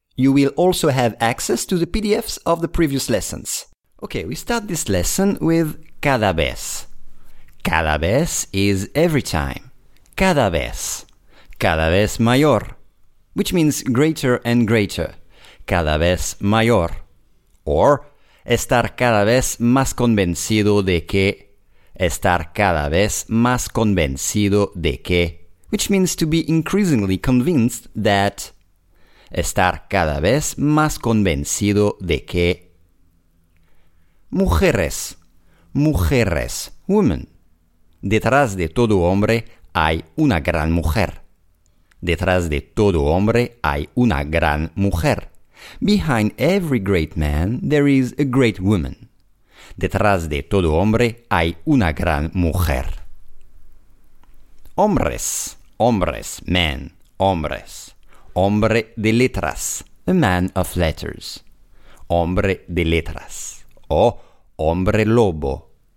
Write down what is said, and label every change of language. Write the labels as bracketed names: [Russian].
[English] You will also have access to the PDFs of the previous lessons. Okay, we start this lesson with cada vez. [Spanish] Cada vez [English] is every time. [Spanish] Cada vez mayor, [English] which means greater and greater. [Spanish] Cada vez mayor. [English] Or [Spanish] estar cada vez más convencido de que. Estar cada vez más convencido de que. [English] Which means to be increasingly convinced that. [Spanish] Estar cada vez más convencido de que. Mujeres. Mujeres. [English] Women. [Spanish] Detrás de todo hombre hay una gran mujer. Detrás de todo hombre hay una gran mujer. [English] Behind every great man, there is a great woman. [Spanish] Detrás de todo hombre hay una gran mujer. Hombres. Hombres. [English] Men. [Spanish] Hombres. Hombre de letras. [English] A man of letters. [Spanish] Hombre de letras. O hombre lobo.